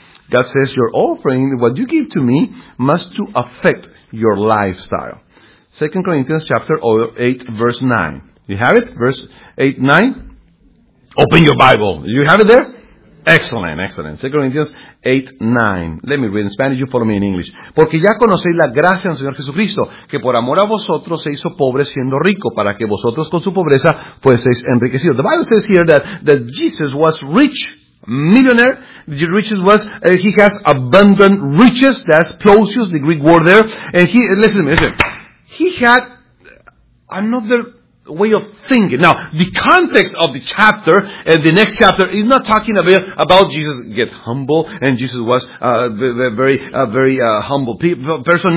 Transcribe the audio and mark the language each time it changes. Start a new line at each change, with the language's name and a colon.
English: God says, your offering, what you give to me, must to affect your lifestyle. Second Corinthians chapter 8, verse 9. You have it? Verse 8:9. Open your Bible. You have it there? Excellent, excellent. 2 Corinthians 8, 9. Let me read in Spanish, you follow me in English.
Spanish: Porque ya conocéis la gracia del Señor Jesucristo, que por amor a vosotros se hizo pobre siendo rico, para que vosotros con su pobreza fueseis enriquecidos.
English: The Bible says here that Jesus was rich, millionaire. The riches was, he has abundant riches, that's plosios, the Greek word there. And listen, he had another way of thinking. Now, the context of the chapter, the next chapter, is not talking about Jesus get humble, and Jesus was a very humble person.